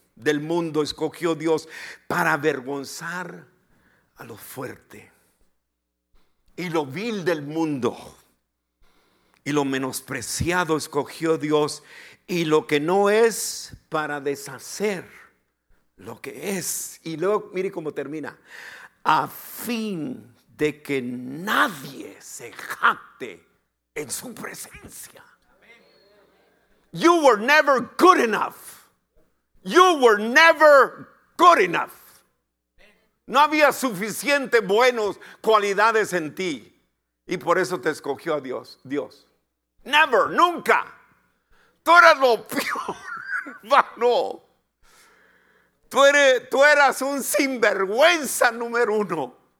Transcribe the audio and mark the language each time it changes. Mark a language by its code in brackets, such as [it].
[es] del mundo escogió Dios para avergonzar a lo fuerte y lo vil del mundo, y lo menospreciado escogió Dios, y lo que no es para deshacer lo que es. Y luego mire cómo termina: a fin de que nadie se jacte en su presencia. [en] You were never good enough. You were never good enough. [es] No había suficiente buenas cualidades en ti, y por eso te escogió a Dios. Dios. [en] Never, [es] nunca. Tú eras lo peor. No. Tú eras un sinvergüenza número uno.